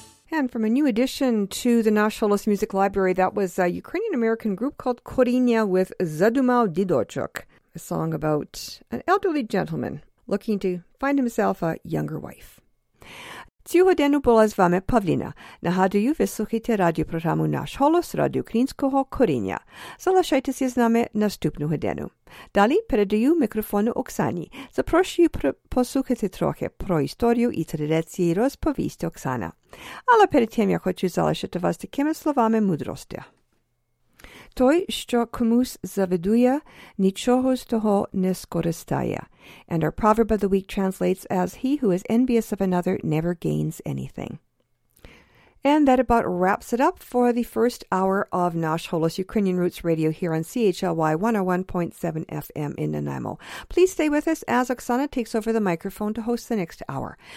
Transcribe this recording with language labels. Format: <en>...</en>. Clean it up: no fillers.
<en>and from a new addition to the Nashville Music Library, that was a Ukrainian-American group called Korinya with Zadumal Didochuk, a song about an elderly gentleman looking to find himself a younger wife.</en> <uk>Цього дня була з вами Павліна. Нагадую, ви слухаєте радіопрограму «Наш голос» радіо українського «Коріння». Залишайтеся з нами наступного дня. Далі передаю мікрофон Оксані. Запрошую послухати трохи про історію і традиції розповісти Оксана. Але перед тим я хочу залишити вас такими словами мудрості. той, що комусь завидує, нічого з того не скористає.</uk> <en>And our proverb of the week translates as, he who is envious of another never gains anything. And that about wraps it up for the first hour of Nash Holos Ukrainian Roots Radio here on CHLY 101.7 FM in Nanaimo. Please stay with us as Oksana takes over the microphone to host the next hour.</en>